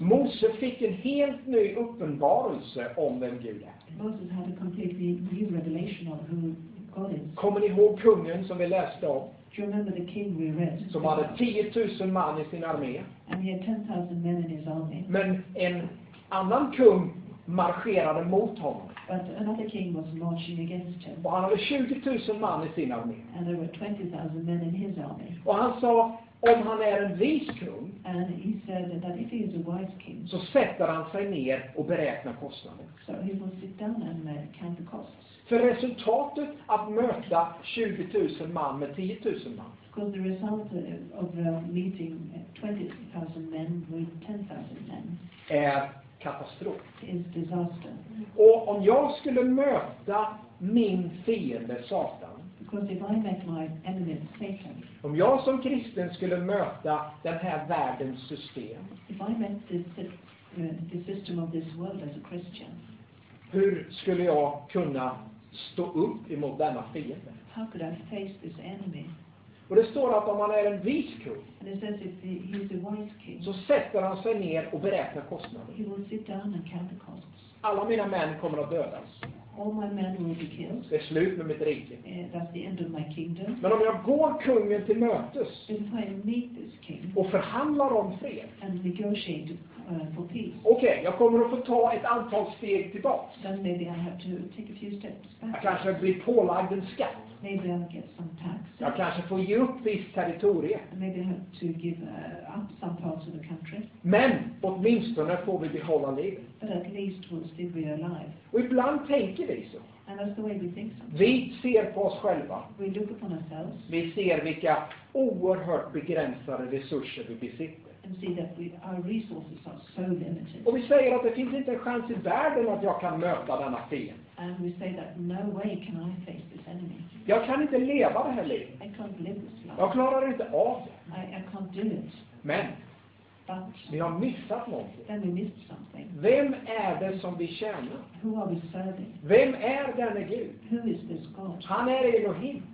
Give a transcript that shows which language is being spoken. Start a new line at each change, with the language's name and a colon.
Swedish: Mose fick en helt ny uppenbarelse om vem Gud är.
English: Moses had a completely new revelation of who God is.
Swedish: Kommer ni ihåg kungen som vi läste om?
English: Do you remember the king we read?
Swedish: Som hade 10,000 man i sin armé.
English: And he had 10,000 men in his army.
Swedish: Men en annan kung marscherade mot honom.
English: But another king was marching against him.
Swedish: Och han hade 20,000 man i sin armé.
English: And there were 20,000 men in his army.
Swedish: Och han sa, om han är en vis kung,
English: and he said that if he is a wise king,
Swedish: så sätter han sig ner och beräknar kostnaden.
English: So he will sit down and count the costs.
Swedish: För resultatet att möta 20,000 man med 10,000 man.
English: Because the result of meeting 20,000 men with 10,000 men
Swedish: är katastrof.
English: Is disaster.
Swedish: Och om jag skulle möta min fiende Satan.
English: Because if I met my enemy Satan.
Swedish: Om jag som kristen skulle möta den här världens system.
English: If I met the system of this world as a Christian.
Swedish: Hur skulle jag kunna stå upp emot denna fiende?
English: How could I face this enemy?
Swedish: Och det står att om man är en vis kung,
English: and it says if he is a wise king,
Swedish: så sätter han sig ner och beräknar kostnaden.
English: He will sit down and count the costs.
Swedish: Alla mina män kommer att dödas.
English: All my men will be killed.
Swedish: Det är slut med mitt rike.
English: That's the end of my kingdom.
Swedish: Men om jag går kungen till mötes,
English: if I meet this king,
Swedish: och förhandlar om fred,
English: and negotiate for peace.
Swedish: Okej, jag kommer att få ta ett antal steg tillbaka.
English: Then maybe I have to take a few steps back.
Swedish: Jag kanske blir pålagd en skatt.
English: Maybe I'll get some tax.
Swedish: Jag kanske får ge upp visst territorium.
English: Maybe I have to give up some parts of the country.
Swedish: Men åtminstone får vi behålla livet.
English: But at least we'll still be alive.
Swedish: Och ibland tänker vi så.
English: And that's the way we think so.
Swedish: Vi ser på oss själva.
English: We look upon ourselves.
Swedish: Vi ser vilka oerhört begränsade resurser vi besitter.
English: And see that our resources are so limited.
Swedish: Och vi säger att det finns inte en chans i världen att jag kan möta denna fiende.
English: And we say that no way can I face this enemy.
Swedish: Jag kan inte leva det här livet.
English: I can't live this life.
Swedish: Jag klarar inte av det.
English: I can't do it.
Swedish: Men
English: but
Swedish: vi har missat någonting.
English: Then we missed something.
Swedish: Vem är det som vi tjänar?
English: Who are we serving?
Swedish: Vem är denna Gud?
English: Who is this God?
Swedish: Han är Elohim.